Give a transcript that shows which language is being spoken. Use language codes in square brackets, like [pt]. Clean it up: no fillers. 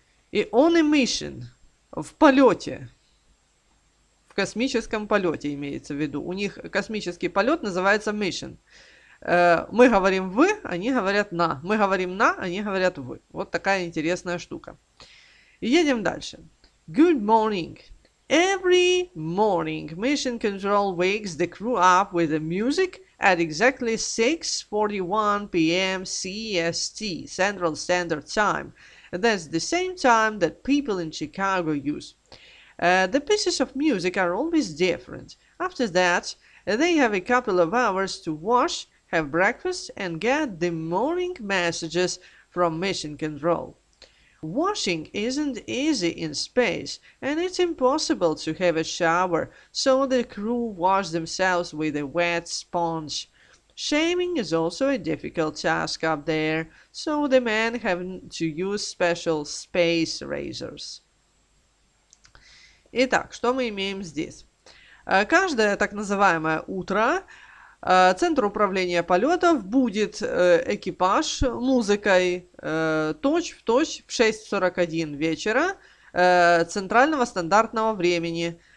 [ru] И on a mission, в полете, в космическом полете имеется в виду. У них космический полет называется mission. Мы говорим вы, они говорят на. Мы говорим на, они говорят вы. Вот такая интересная штука. Едем дальше. Good morning. [en] Every morning, Mission Control wakes the crew up with the music at exactly 6:41 p.m. CST, Central Standard Time. That's the same time that people in Chicago use. The pieces of music are always different. After that, they have a couple of hours to wash, have breakfast, and get the morning messages from Mission Control. Washing isn't easy in space, and it's impossible to have a shower, so the crew wash themselves with a wet sponge. Shaving is also a difficult task up there, so the men have to use special space razors. [ru] Итак, что мы имеем здесь? Каждое так называемое утро Центр управления полетов будет экипаж музыкой точь-в-точь в 6:41 вечера центрального стандартного времени.